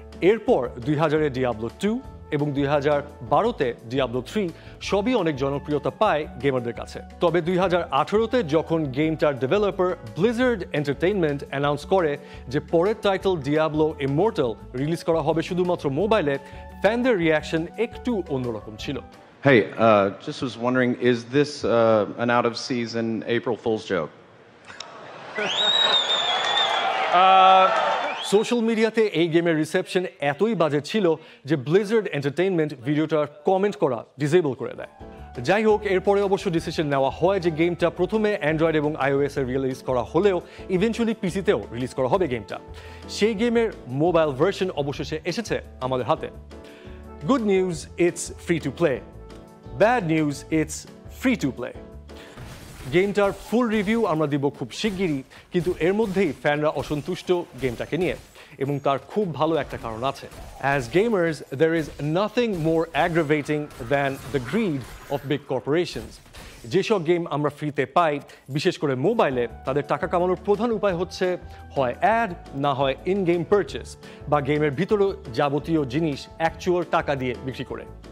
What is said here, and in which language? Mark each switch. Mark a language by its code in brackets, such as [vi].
[bn] এরপর 2000-এ ডিয়াবলো 2 এবং 2012-তে ডিয়াবলো 3 সবই অনেক জনপ্রিয়তা পায় গেমারদের কাছে। তবে 2018-তে যখন গেমটার ডেভেলপার ব্লিজার্ড এন্টারটেইনমেন্ট অ্যানাউন্স করে যে পরের টাইটেল ডিয়াবলো ইমমর্টাল রিলিজ করা হবে শুধুমাত্র মোবাইলে, ফ্যানদের রিয়াকশন একটু অন্যরকম ছিল। [en] Hey, just was wondering, is this an out-of-season April Fool's joke? [bn] Social media-তে এই গেমের রিসেপশন এতই বাজে ছিল যে ব্লিজার্ড এন্টারটেইনমেন্ট ভিডিওটার কমেন্ট করা ডিসেবল করে দেয়। যাই হোক, এরপরে অবশ্য ডিসিশন নেওয়া হয় যে গেমটা প্রথমে অ্যান্ড্রয়েড এবং iOS-এ রিলিজ করা হলেও ইভেন্চুয়ালি PC-তেও রিলিজ করা হবে গেমটা। সেই গেমের মোবাইল ভার্সন অবশেষে এসেছে আমাদের হাতে। [en] Good news, it's free to play. Bad news, it's free to play. [bn] গেমটার ফুল রিভিউ আমরা দিব খুব শিগগিরই, কিন্তু এর মধ্যেই ফ্যানরা অসন্তুষ্ট গেমটাকে নিয়ে, এবং তার খুব ভালো একটা কারণ আছে। [en] As gamers, there is nothing more aggravating than the greed of big corporations. [bn] যেসব গেম আমরা ফ্রিতে পাই, বিশেষ করে মোবাইলে, তাদের টাকা কামানোর প্রধান উপায় হচ্ছে হয় অ্যাড, না হয় ইন গেম পারচেস, বা গেমের ভিতরে যাবতীয় জিনিস অ্যাকচুয়াল টাকা দিয়ে বিক্রি করে।